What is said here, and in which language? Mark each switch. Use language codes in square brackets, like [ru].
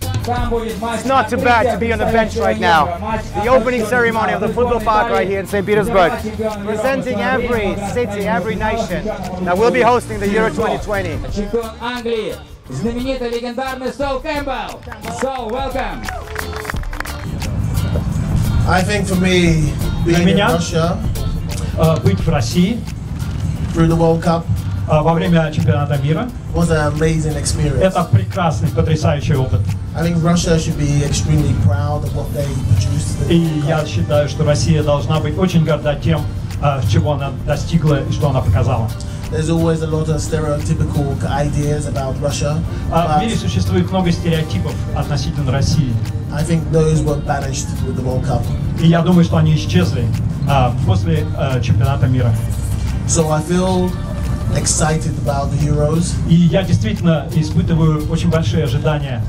[en] It's not too bad to be on the bench right now. The opening ceremony of the football park right here in St. Petersburg, presenting every city, every nation that will be hosting the Euro 2020. [ru] Чемпион Англии, знаменитый легендарный Сол Кэмпбелл. [en] Сол, welcome. I think for me, being in Russia, [ru] быть в России, [en] through the World Cup, [ru] во время чемпионата мира, [en] was an amazing experience. [ru] Это прекрасный, потрясающий опыт. [en] I think Russia should be extremely proud of what they produced. [ru] И я считаю, что Россия должна быть очень горда тем, чего она достигла и что она показала. [en] There's always a lot of stereotypical ideas about Russia. [ru] В мире существует много стереотипов относительно России. [en] I think those were banished with the World Cup. [ru] И я думаю, что они исчезли после чемпионата мира. [en] So I feel excited about the Euros. [ru] И я действительно испытываю очень большие ожидания.